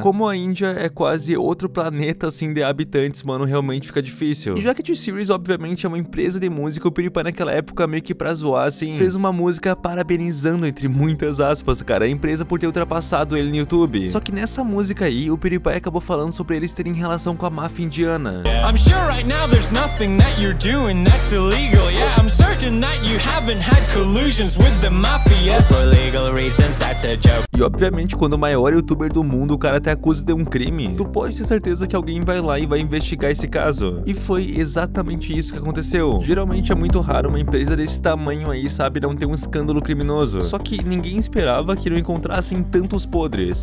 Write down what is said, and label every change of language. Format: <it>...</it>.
<pt>Como a Índia é quase outro planeta, assim, de habitantes, mano, realmente fica difícil. E já que a T-Series, obviamente, é uma empresa de música, o PewDiePie naquela época, meio que pra zoar, assim, fez uma música parabenizando, entre muitas aspas, cara, a empresa por ter ultrapassado ele no YouTube. Só que nessa música aí, o PewDiePie acabou falando sobre eles terem relação com a máfia indiana.</pt> <en>I'm sure right now there's nothing that you're doing that's illegal. Yeah, I'm certain that you haven't had collusions with the mafia for legal reasons, that's a joke.</en> <pt>E obviamente, quando o maior youtuber do mundo, o cara até acusa de um crime, tu pode ter certeza que alguém vai lá e vai investigar esse caso. E foi exatamente isso que aconteceu. Geralmente é muito raro uma empresa desse tamanho aí, sabe, não ter um escândalo criminoso. Só que ninguém esperava que não encontrassem tantos podres.</pt>